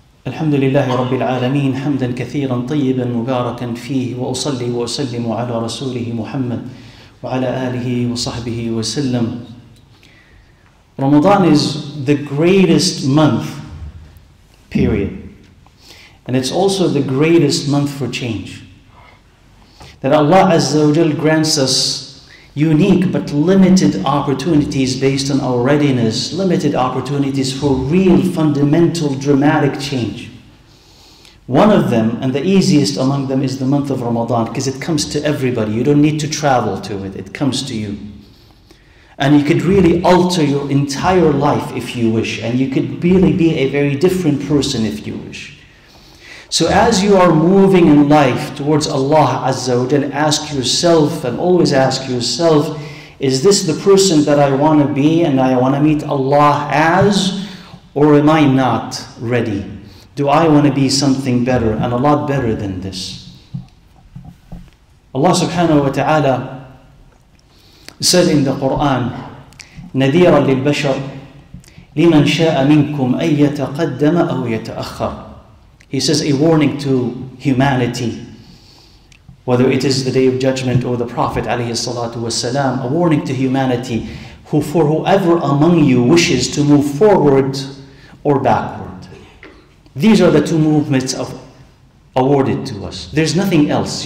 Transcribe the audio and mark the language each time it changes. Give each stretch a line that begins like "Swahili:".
Arabic: الحمد لله رب العالمين حمدا كثيرا طيبا مباركا فيه وأصلي وأسلم على رسوله محمد وعلى آله وصحبه وسلم.
English: Ramadan is the greatest month period. And it's also the greatest month for change. That Allah Azza wa Jal grants us unique but limited opportunities based on our readiness, limited opportunities for real, fundamental, dramatic change. One of them, and the easiest among them, is the month of Ramadan, because it comes to everybody. You don't need to travel to it. It comes to you. And you could really alter your entire life if you wish. And you could really be a very different person if you wish. So as you are moving in life towards Allah Azza wa Jal, ask yourself, and always ask yourself, is this the person that I want to be and I want to meet Allah as? Or am I not ready? Do I want to be something better and a lot better than this? Allah subhanahu wa ta'ala said in the Quran,
Arabic: نَذِيرًا لِلْبَشَرِ لِمَنْ شَاءَ مِنْكُمْ أَنْ يَتَقَدَّمَ أَوْ يَتَأَخَّرَ.
English: He says a warning to humanity, whether it is the Day of Judgment or the Prophet alayhi salatu wasalam, a warning to humanity, who for whoever among you wishes to move forward or backward. These are the two movements of, awarded to us. There's nothing else.